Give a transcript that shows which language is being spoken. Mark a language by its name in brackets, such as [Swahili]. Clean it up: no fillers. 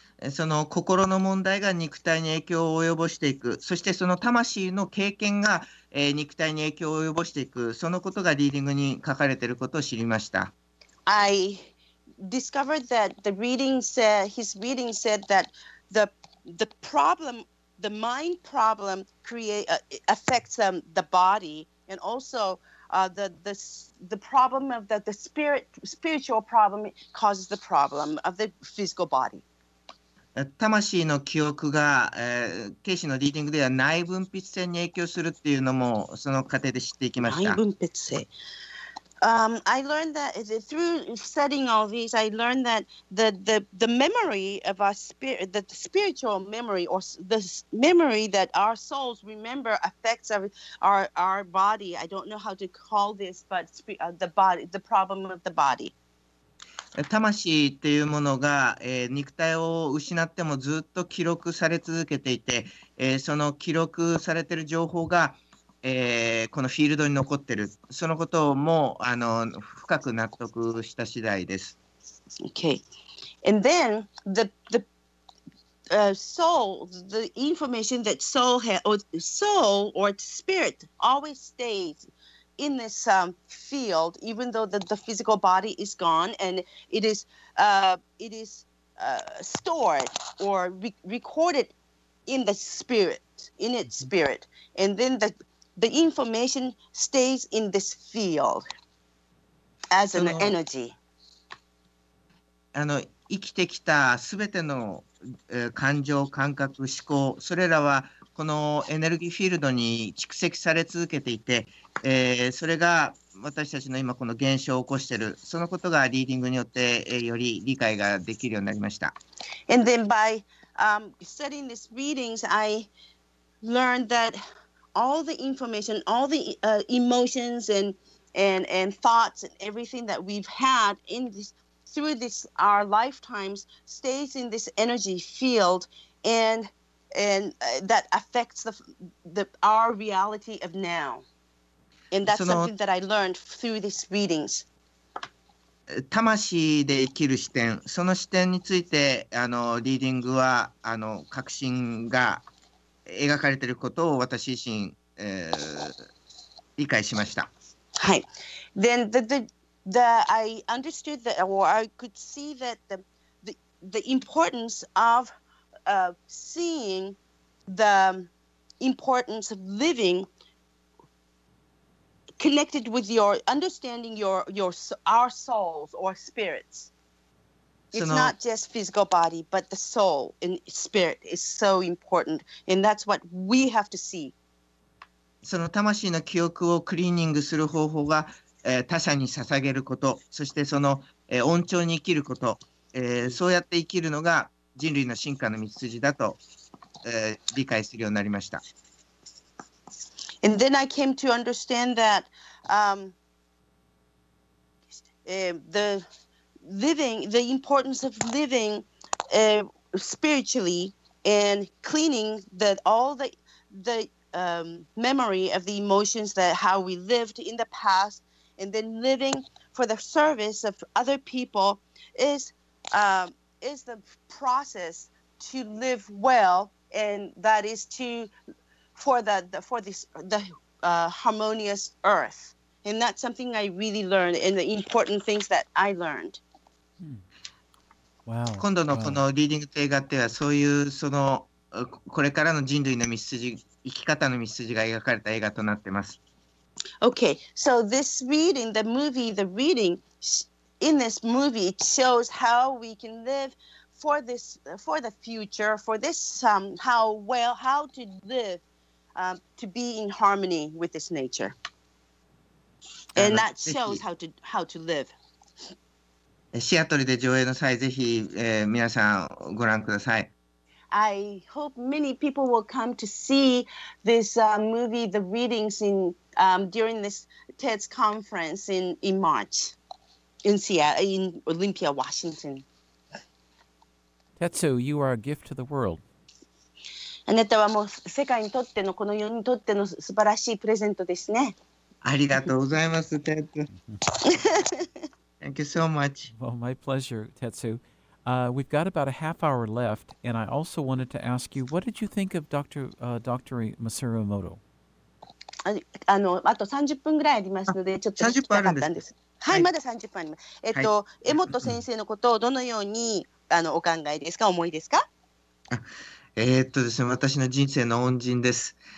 [Japanese] その心の問題が肉体に影響を及ぼしていく、そしてその魂の経験が、肉体に影響を及ぼしていく、そのことがリーディングに書かれていることを知りました。 [English] I discovered that the reading said, his reading said that the problem, the mind problem create, affects, the body, and also, the problem of the spiritual problem causes the problem of the physical body. [Japanese] 魂の記憶が、ケイシーのリーディングでは内分泌性に影響するっていうのもその過程で知っていきました。内分泌性。 [English] I learned that through studying all these, I learned that the memory of our spirit, the spiritual memory or the memory that our souls remember affects our body. I don't know how to call this, but the body, the problem of the body. [Japanese] 魂っていうものが、肉体を失ってもずっと記録され続けていて、その記録されている情報が、このフィールドに残ってる、そのことも深く納得した次第です。 [English] Okay. And then the souls, the information that soul has, or soul or spirit always stays in this field, even though the physical body is gone and it is stored or recorded in the spirit, in its spirit, and then the information stays in this field as an energy. [Japanese] あの生きてきたすべての、感情、感覚、思考、それらはこのエネルギーフィールドに蓄積され続けていて、それが私たちの今この現象を起こしている、そのことがリーディングによって、より理解ができるようになりました。 [English] And then by, studying these readings, I learned that all the information, all the, emotions and thoughts and everything that we've had in this,through this our lifetimes stays in this energy field and that affects the our reality of now and that's something that I learned through these readings [Japanese] 魂で生きる視点その視点についてあのリーディングはあの確信が描かれていることを私自身、理解しましたはい [English] then I understood that, or I could see that the importance of seeing the importance of living connected with your understanding your our souls or spirits. It's not just physical body, but the soul and spirit is so important, and that's what we have to see. [Japanese] その魂の記憶をクリーニングする方法が他者に捧げること、そしてその恩寵に生きること、そうやって生きるのが人類の進化の道筋だと、理解するようになりました。 [English] And then I came to understand that the living, the importance of living spiritually and cleaning that all the memory of the emotions that how we lived in the past. And then living for the service of other people is the process to live well, and that is to for this harmonious earth. And that's something I really learned, and the important things that I learned. Wow. [Japanese] 今度のこのリーディング映画ではそういうそのこれからの人類の道筋生き方の道筋が描かれた映画となっています。 [English] Okay, so this reading, the movie, the reading in this movie, it shows how we can live for this, for the future, for this, how well, how to live, to be in harmony with this nature. And that shows how to live. [Japanese] シアトルで上映の際、ぜひ、皆さんご覧ください。 [English] I hope many people will come to see this, movie, the readings in... during this TEDS conference in March in Seattle, in Olympia, Washington. Tetsu, you are a gift to the world. [Japanese] あなたはもう世界にとってのこの世にとっての素晴らしいプレゼントですね。ありがとうございます、 [English] Tetsu. Thank you so much. Well, my pleasure, Tetsu. We've got about a half hour left, and I also wanted to ask you, what did you think of Dr. Masaru Emoto? [Japanese] あと30分ぐらいありますのでちょっと聞きたかったんです。はい、まだ30分あります。はい、江本先生のことをどのようにお考えですか、思いですか？ですね、私の人生の恩人です。